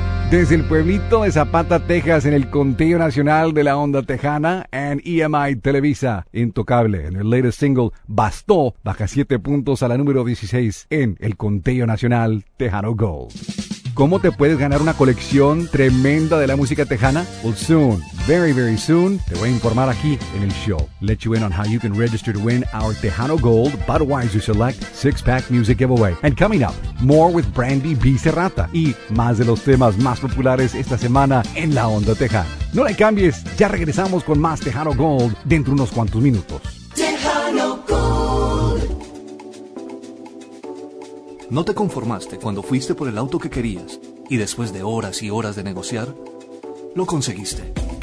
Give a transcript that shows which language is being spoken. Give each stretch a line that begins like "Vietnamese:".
Spanish: Desde el pueblito de Zapata, Texas, en el conteo nacional de la onda tejana, en EMI Televisa, Intocable, en el
English: latest single,
Spanish: Bastó, baja 7 puntos a la número 16 en el conteo nacional Tejano Gold. ¿Cómo te puedes ganar una colección tremenda de la música tejana?
English: Well, soon, very, very soon,
Spanish: te voy a informar aquí en el show.
English: Let you in on how you can register to win our Tejano Gold Budweiser Select 6-Pack Music Giveaway. And coming up, more with Brandy B.
Spanish: Serrata y más de los temas más populares esta semana en La Onda Tejana. No le cambies, ya regresamos con más Tejano Gold dentro de unos cuantos minutos. ¿No te conformaste cuando fuiste por el auto que querías y después de horas y horas de negociar, lo conseguiste?